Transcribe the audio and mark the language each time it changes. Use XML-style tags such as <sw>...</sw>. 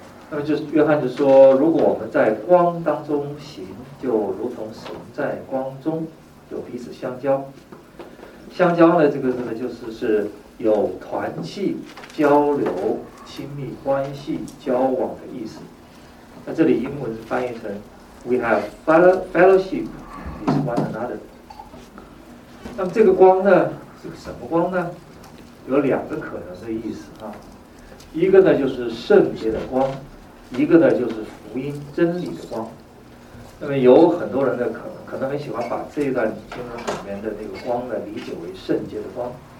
<zh>那么就是约翰就说，如果我们在光当中行，就如同神在光中，有彼此相交。相交呢，这个字呢，就是有团契、交流、亲密关系、交往的意思。那这里英文是翻译成</zh> <en>"We have fellowship with one another"。</en> <zh>那么这个光呢，是个什么光呢？有两个可能的意思啊。一个呢，就是圣洁的光。一个呢，就是福音真理的光。那么有很多人呢，可能很喜欢把这一段经文里面的那个光呢，理解为圣洁的光。</zh>